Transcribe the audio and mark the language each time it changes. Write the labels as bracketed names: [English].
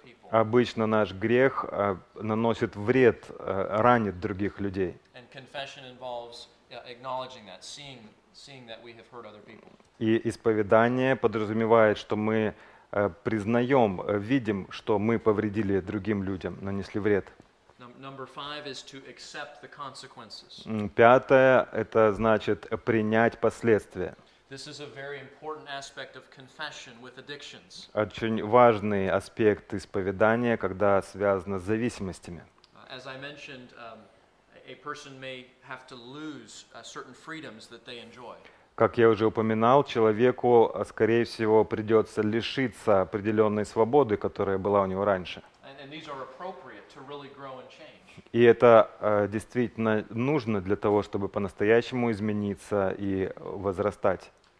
[Russian] Обычно наш грех наносит вред, ранит других людей. [English] And confession involves acknowledging that, seeing that we have hurt other people. [Russian] И исповедание подразумевает, что мы признаем, видим, что мы повредили другим людям, нанесли вред. [English] Number five is to accept the consequences. [Russian] Пятое – это значит принять последствия. [English] This is a very important aspect of confession with addictions. [Russian] Очень важный аспект исповедания, когда связано с зависимостями. [English] As I mentioned, a person may have to lose certain freedoms that they enjoy. [Russian] Как я уже упоминал, человеку, скорее всего, придется лишиться определенной свободы, которая была у него раньше. [English] And these are appropriate to really grow and change. [Russian] И это действительно нужно для того, чтобы по-настоящему измениться и возрастать.